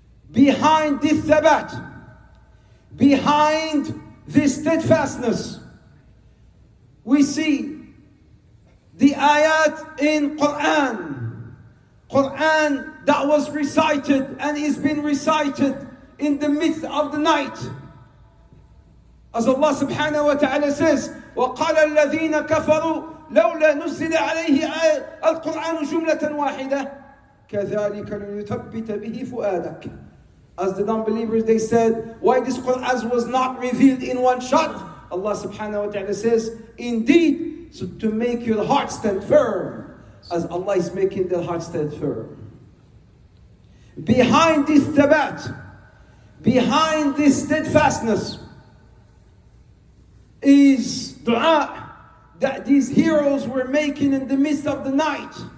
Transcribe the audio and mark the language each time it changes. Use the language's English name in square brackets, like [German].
[English] Behind this thabat, behind this steadfastness, we see the ayat in Quran. Quran that was recited and is being recited in the midst of the night. As Allah subhanahu wa ta'ala says, [Arabic] وَقَالَ الَّذِينَ كَفَرُوا لَوْلَا نُزِّلَ عَلَيْهِ الْقُرْآنُ جُمْلَةً وَاحِدَةً كَذَلِكَ لِيُثَبِّتَ بِهِ فُؤَادَكَ. [English] As the non-believers, they said, why this Quran was not revealed in one shot? Allah subhanahu wa ta'ala says, indeed, so to make your heart stand firm, as Allah is making their heart stand firm. Behind this thabat, behind this steadfastness, is dua that these heroes were making in the midst of the night.